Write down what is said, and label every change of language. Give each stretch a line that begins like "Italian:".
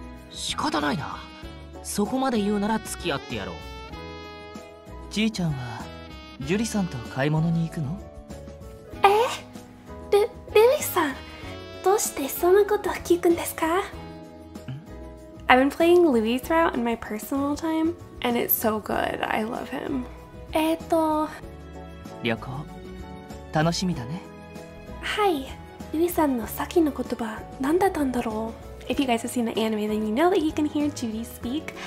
Japanese: 仕方ないな。そこまで言うなら付き合ってやろう。じいちゃんはジュリさんと買い物に行くの？え？ルイさん、どうしてそんなこと聞くんですか？
English: I've been playing Louis throughout in my personal time and it's so good. I love him.
Japanese: 旅行楽しみだね。はい、ルイさんの先の言葉何だったんだろう。
English: If you guys have seen the anime, then you know that he can hear Judy speak.